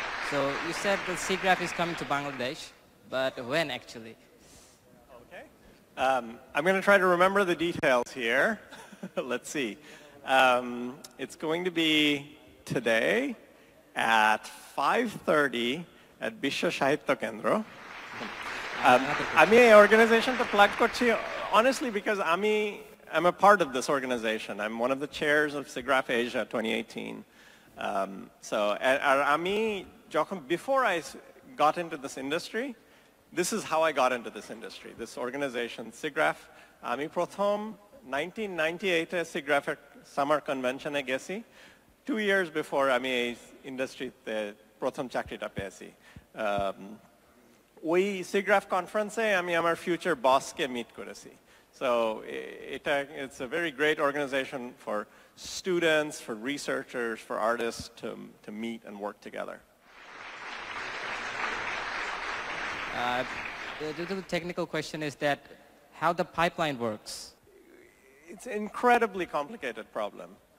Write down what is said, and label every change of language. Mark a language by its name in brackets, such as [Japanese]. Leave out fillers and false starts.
[English] So you said the SIGGRAPH is coming to Bangladesh, but when actually? Okay. I'm going to try to remember the details here. Let's see. It's going to be today at 5:30 at Bishwa Sahitya Kendro. [Bangla] আমি এই অর্গানাইজেশনটা plug করছি [English] honestly because আমি am a part of this organization I am one of the chairs of SIGGRAPH Asia 2018 so [Bangla] আর আমি যখন [English] before I got into this industry this is how I got into this industry this organization SIGGRAPH [Bangla] আমি প্রথম 1998 সিগ্রাফের summer কনভেনশনে গেছি two years before আমি এই ইন্ডাস্ট্রিতে প্রথম চাকরিটা পেয়েছি ওই সিগ্রাফ কনফারেন্সে আমি আমার ফিউচার বসকে মিট করেছি [English] So এটা it's a very great organization for students for researchers for artist to meet and work together The technical question is that how the pipeline works. It's an incredibly complicated problem.